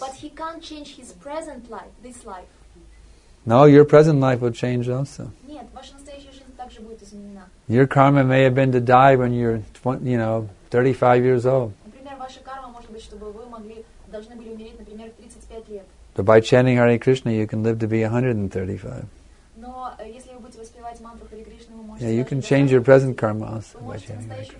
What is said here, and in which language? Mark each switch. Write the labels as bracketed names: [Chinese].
[English] But he can't change his present life, this life. No, your present life will change also. [Russian] Нет, ваша настоящая жизнь также будет изменена. [English] Your karma may have been to die when you're 20, you know, 35 years old. [Russian] Например, ваша карма может быть, чтобы вы могли должны были умереть, например, 35 лет. [English] But by chanting Hare Krishna, you can live to be 135. [Russian] Но если вы будете воспевать мантру Хари Кришны, вы можете. [English] Yeah, you can change your present karma also by chanting Hare Krishna.